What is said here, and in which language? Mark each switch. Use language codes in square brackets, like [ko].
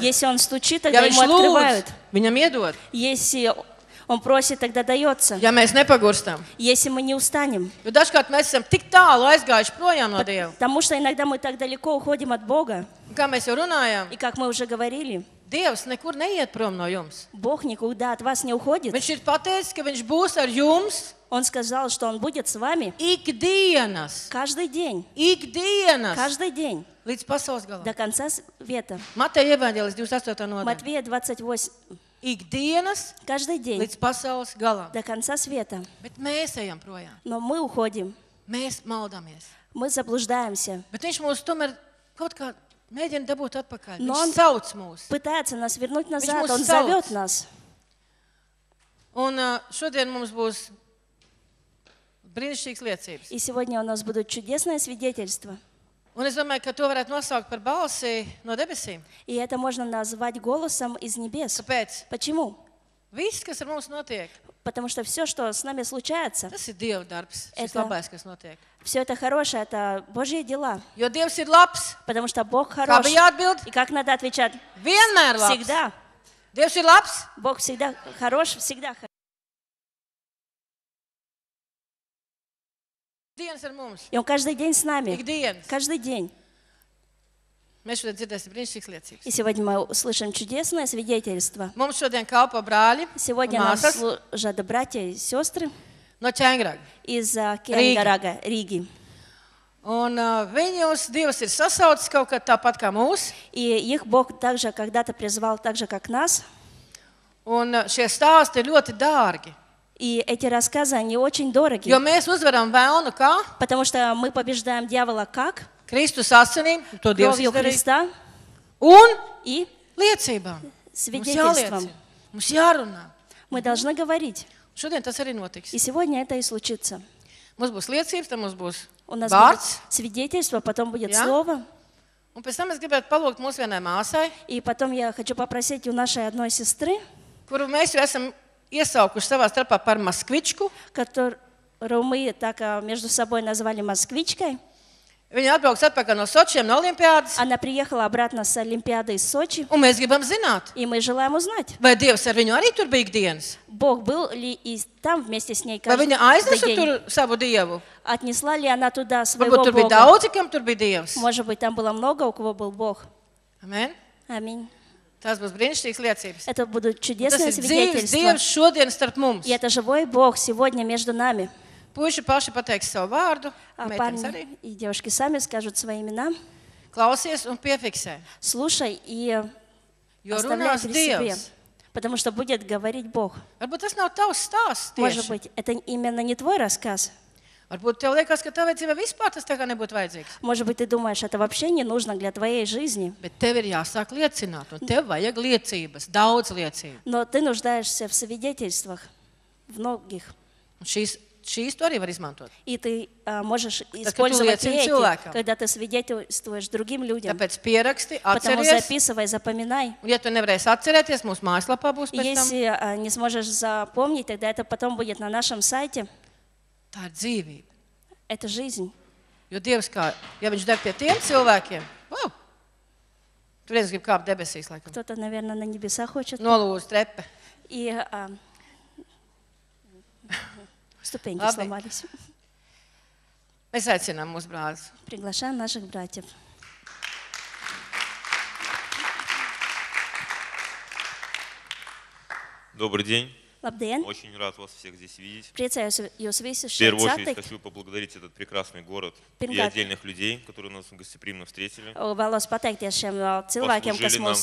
[ru] Если он стучит, тогда ja ему открывают. [lv] Viņam iedod. [ru] Если он просит, тогда дается. [lv] Ja mēs nepagurstam. [ru] Если мы не устанем. [lv] Jo dažkārt mēs esam tik tālu aizgājuši projām no Dieva. [ru] Потому что иногда мы так далеко уходим от Бога. [lv] Kā mēs jau runājām. [ru] И как мы уже говорили. [lv] Dievs nekur neiet prom no jums. [ru] Бог никуда от вас не уходит. [lv] Viņš ir pateicis, ka viņš būs ar jums. [ru] Он сказал, что он будет с вами. [lv] Ikdienas. [ru] Каждый день. [lv] Ikdienas. [ru] Каждый день. [lv] Līdz pasaules galam. [ru] До конца света. Матфея Евангелия 28 нодам. Матфея 28. [lv] Ikdienas. [ru] Каждый день. [lv] Līdz pasaules galam. [ru] До конца света. [lv] Bet mēs ejam projām. [ru] Но мы уходим. [lv] Mēs maldāmies. [ru] Мы заблуждаемся. [lv] Bet viņš mūs tomēr kaut kā mēģina dabūt atpakaļ. Но viņš sauc mūs. [ru] Пытается нас вернуть назад. Он зовет нас. [lv] Un šodien mums būs brīnišķīgas liecības. [ru] И сегодня у нас будут чудесные свидетельства. [lv] Un es domāju, ka to varētu nosaukt par balsi no debesīm. [ru] И это можно назвать голосом из небес. [lv] Kāpēc? [ru] Почему? [lv] Viss, kas ar mums notiek. [ru] Потому что все, что с нами случается. [lv] Tas ir Dieva darbs. Šis labais, kas notiek. [ru] Все это хорошее, это Божьи дела. [lv] Jo Dievs ir labs. [ru] Потому что Бог хорош. [lv] Kā bija jāatbild? [ru] И как надо отвечать? [lv] Vienmēr labs. [ru] Всегда. [lv] Dievs ir labs. [ru] Бог всегда хорош, всегда хорош. И он каждый день с нами. Каждый день. И сегодня мы услышим чудесное свидетельство. Сегодня нам служат братья и сестры из Чайнграга, Риги. Риги. [lv] Un viņus Dievs ir sasaucis kaut kā tāpat kā mūs. [ru] И их Бог также когда-то призвал так же, как нас. [lv] Un šie stāsti ir ļoti dārgi. [ru] И эти рассказы, они очень дороги. [lv] Jo mēs uzvaram vēlnu, kā? [ru] Потому что мы побеждаем дьявола как? [lv] Kristus asinīm, to Dievs [ru] izdarīja. Кровью Христа. [lv] Un? [ru] И? [lv] Liecībām. [ru] Свидетельством. [lv] Mums jārunā. [ru] Мы должны говорить. [lv] Šodien tas arī notiks. [ru] И сегодня это и случится. [lv] Mums būs liecības, tam mums būs [ru] у нас [lv] vārds. [ru] Будет свидетельство, потом будет слово. [lv] Un pēc tam es gribētu palūgt mūsu vienai māsai. [ru] И потом я хочу попросить у нашей одной сестры. [lv] Kuru mēs jau esam iesaukuši savā starpā par Maskvičku, [ru] которую мы так между собой назвали Москвичкой. [lv] Viņa atbrauks atpakaļ no Sočiem, no Olimpiādas. [ru] Она приехала обратно с Олимпиады из Сочи. [lv] Un mēs gribam zināt. [ru] И мы желаем узнать. [lv] Vai Dievs ar viņu arī tur bija ikdienas? [ru] Бог был ли и там вместе с ней каждый день? [lv] Vai viņa aiznesa tur savu Dievu? [ru] Отнесла ли она туда своего [lv] Бога? Varbūt tur bija daudz, kam tur bija Dievs? [ru] Может быть, там было много, у кого был Бог. Амен. Аминь. [lv] Tas būs brīnišķīgas liecības. [ru] Это будут чудесные свидетельства. [lv] Tas ir Dievs šodien starp mums. [ru] И это живой Бог сегодня между нами. [lv] Puiši paši pateiks savu vārdu. [ru] Парни и девушки сами скажут свои имена. [lv] Klausies un piefiksē. [ru] Слушай и оставляй при себе. Потому что будет говорить Бог. [lv] Varbūt tas nav tavs stāsts tieši. [ru] Может быть, это именно не твой рассказ. [lv] Varbūt tev liekas, ka tavai dzīvē vispār tas tā kā nebūtu vajadzīgs. [ru] Может быть, ты думаешь, это вообще не нужно для твоей жизни. [lv] Bet tev ir jāsāk liecināt, un tev vajag liecības, daudz liecību. [ru] Но ты нуждаешься в свидетельствах, в многих. [lv] Šīs tu arī var izmantot. [ru] И ты можешь использовать эти, когда ты свидетельствуешь другим людям. [lv] Тāpēc пираксти, atceries. [ru] Потому записывай, запоминай. [lv] Un ja tu nevarēsi atcerēties, mūsu mājaslapā būs pēc tam. [ru] Если не сможешь запомнить, тогда это потом будет на нашем сайте. [lv] Tā ir dzīvība. [ru] Это жизнь. [lv] Jo Dievs kā, ja viņš der pie tiem cilvēkiem, wow! Tu viens grib kāpt debesīs, laikam. [ru] Кто-то, наверное, на небеса хочет. [lv] Nolūz trepe. [ru] И ступеньки Labi. Сломались. [lv] Mēs aicinām mūsu brāļus. [ru] Приглашаем наших братьев. Добрый день. [lv] Labdien. [ru] Очень рад вас всех здесь видеть. [lv] Priecājos jūs visus šeit satikt. [ru] В первую очередь хочу поблагодарить этот прекрасный город и отдельных людей, которые нас гостеприимно встретили. [lv] Vēlos pateikties šiem cilvēkiem, kas mums